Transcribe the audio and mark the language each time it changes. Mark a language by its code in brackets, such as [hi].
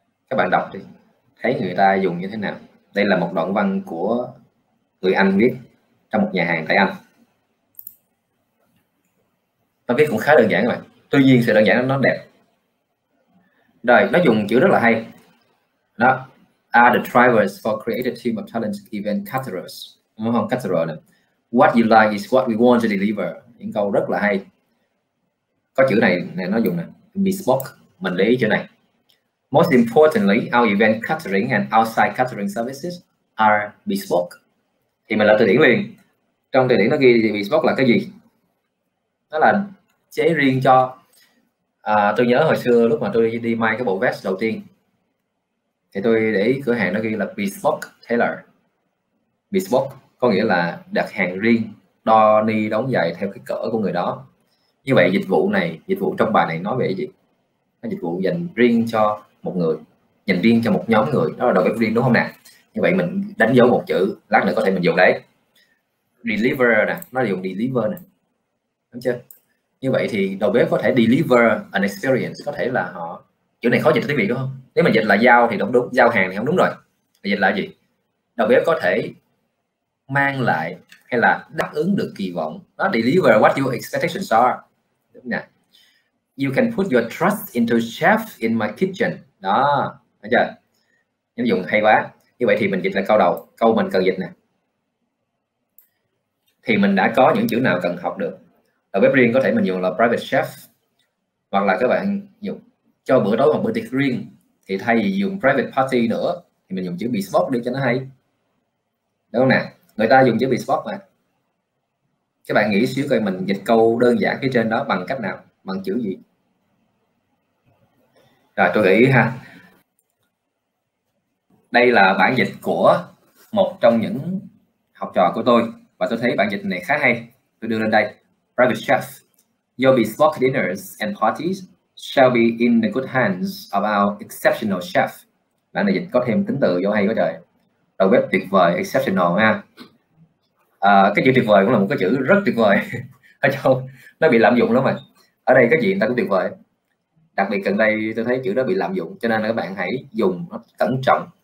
[vi] Các bạn đọc đi, thấy người ta dùng như thế nào. Đây là một đoạn văn của người Anh viết trong một nhà hàng tại Anh. Nó viết cũng khá đơn giản các bạn, tuy nhiên sự đơn giản nó đẹp. Rồi, nó dùng chữ rất là hay. Đó, [en] are the drivers for creative team of talented event caterers. [vi] Đúng không? Caterer này. [en] What you like is what we want to deliver. [vi] Những câu rất là hay. Có chữ này này nó dùng nè. Bespoke. Mình lấy chữ này. [en] Most importantly, our event catering and outside catering services are bespoke. [vi] Thì mình lại từ điển liền. Trong từ điển nó ghi thì bespoke là cái gì? Nó là chế riêng cho. Tôi nhớ hồi xưa lúc mà tôi đi may cái bộ vest đầu tiên, thì tôi để ý cửa hàng nó ghi là bespoke tailor. Bespoke có nghĩa là đặt hàng riêng, đo ni đóng giày theo cái cỡ của người đó. Như vậy dịch vụ này, dịch vụ trong bài này nói về cái gì? Nó dịch vụ dành riêng cho một người, dành riêng cho một nhóm người, đó là đầu bếp riêng đúng không nè? Như vậy mình đánh dấu một chữ, lát nữa có thể mình dùng đấy. Deliver nè, nó dùng deliver nè. Đúng chưa? Như vậy thì đầu bếp có thể [en] deliver an experience, [vi] có thể là họ chữ này khó dịch tiếng Việt đúng không? Nếu mà dịch là giao thì đúng, đúng, giao hàng thì không đúng rồi. Dịch là gì? Đầu bếp có thể mang lại hay là đáp ứng được kỳ vọng. Nó [en] deliver what your expectations are. [vi] Đúng nè. [en] You can put your trust into chef in my kitchen. [vi] Đó, thấy chưa? Nhân dụng hay quá. Như vậy thì mình dịch là câu đầu, câu mình cần dịch nè. Thì mình đã có những chữ nào cần học được. Đầu bếp riêng có thể mình dùng là private chef. Hoặc là các bạn dùng cho bữa tối hoặc bữa tiệc riêng thì thay vì dùng private party nữa thì mình dùng chữ bespoke đi cho nó hay. Đúng không nè? Người ta dùng chữ bespoke mà. Các bạn nghĩ xíu coi mình dịch câu đơn giản phía trên đó bằng cách nào, bằng chữ gì. Rồi tôi gợi ý ha. Đây là bản dịch của một trong những học trò của tôi và tôi thấy bản dịch này khá hay. Tôi đưa lên đây. Private chef. [en] Your bespoke dinners and parties shall be in the good hands of our exceptional chef. [vi] Bản này dịch có thêm tính từ vô hay quá trời. Đầu bếp tuyệt vời, exceptional ha. Cái chữ tuyệt vời cũng là một cái chữ rất tuyệt vời. Ở trong nó bị lạm dụng lắm mà. Ở đây cái gì người ta cũng tuyệt vời. Đặc biệt gần đây tôi thấy chữ đó bị lạm dụng, cho nên là các bạn hãy dùng nó cẩn trọng.